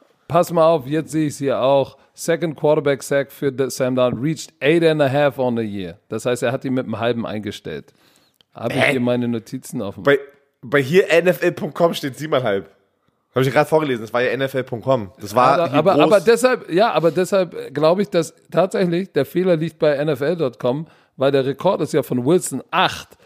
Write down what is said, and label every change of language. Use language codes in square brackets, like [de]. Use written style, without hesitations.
[de] Pass mal auf, jetzt sehe ich es hier auch. [en] Second Quarterback Sack für Sam Darnold reached 8.5 on the year. [de] Das heißt, er hat ihn mit einem halben eingestellt. Habe ich hier meine Notizen offen? Bei hier NFL.com steht 7,5. Habe ich gerade vorgelesen, das war ja NFL.com. Das war aber deshalb glaube ich, dass tatsächlich der Fehler liegt bei NFL.com, weil der Rekord ist ja von Wilson 8.